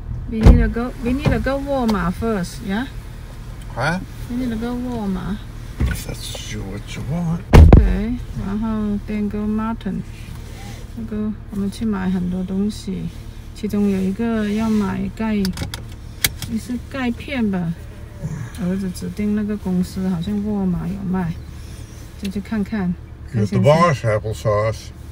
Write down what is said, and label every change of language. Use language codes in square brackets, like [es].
[en] We need to go Walmart first, yeah? What? We need to go Walmart. If that's what you want. Okay, [zh] 然后 [en] then go Martin. [zh] 我们去买很多东西。其中有一个要买钙片吧。儿子指定那个公司, 好像沃尔玛有卖。就去看看。 [en] You're the boss, applesauce.